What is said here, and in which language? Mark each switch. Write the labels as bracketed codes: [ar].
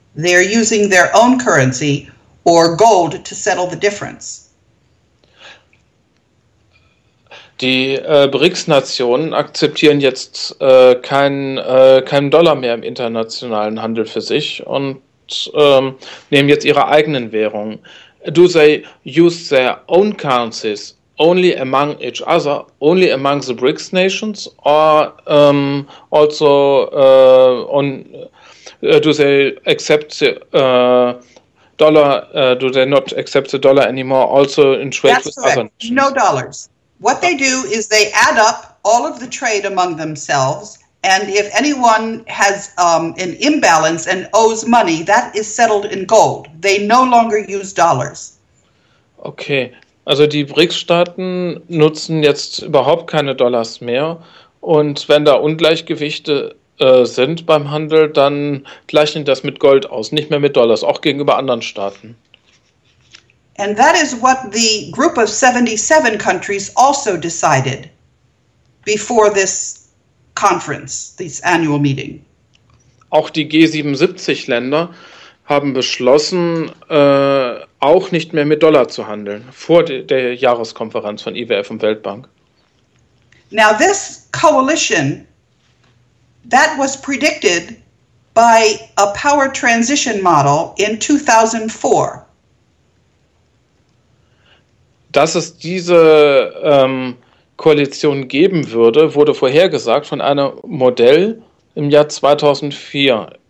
[en] They're using their own currency or gold to settle the difference. [de] Die BRICS nationen akzeptieren jetzt keinen Dollar mehr im internationalen Handel für sich und nehmen jetzt ihre eigenen Währungen. [en] Do they use their own currencies only among each other, only among the BRICS nations, or also on? Do they accept the dollar? Do they not accept the dollar anymore? Also in trade That's with correct. Other nations? No dollars. What they do is they add up all of the trade among themselves, and if anyone has an imbalance and owes money, that is settled in gold. They no longer use dollars. [de] Okay, also die BRICS-Staaten nutzen jetzt überhaupt keine Dollars mehr. Und wenn da Ungleichgewichte sind beim Handel, dann gleichen das mit Gold aus, nicht mehr mit Dollars, auch gegenüber anderen Staaten. [en] And that is what the group of 77 countries also decided before this conference, this annual meeting. [de] Auch die G77-Länder haben beschlossen, auch nicht mehr mit Dollar zu handeln, vor der Jahreskonferenz von IWF und Weltbank. [en] Now this coalition, that was predicted by a power transition model in 2004. [de] Dass es diese Koalition geben würde, wurde vorhergesagt von einem Modell im Jahr 2004.